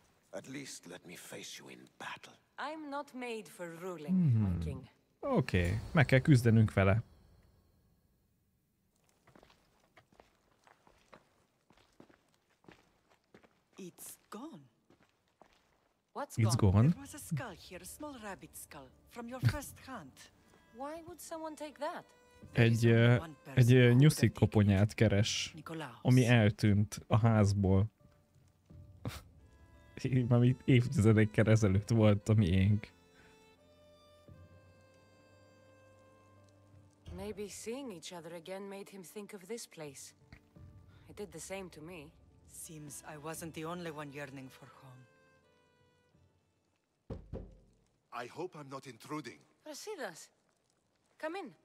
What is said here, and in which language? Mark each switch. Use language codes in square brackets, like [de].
[en] At least let me face you in battle. I'm not made for ruling, my king. [hu] Oké, meg kell küzdenünk vele. [en] It's gone. What's gone? There was a skull here, a small rabbit skull from your first hunt. Why would someone take that? [hu] Egy nyuszi koponyát keres, ami eltűnt a házból. Ami évtizedekkel ezelőtt volt a miénk. [en] Maybe seeing each other again made him think of this place. It did the same to me. Seems I wasn't the only one yearning for home. I hope I'm not intruding. Brasidas, come in.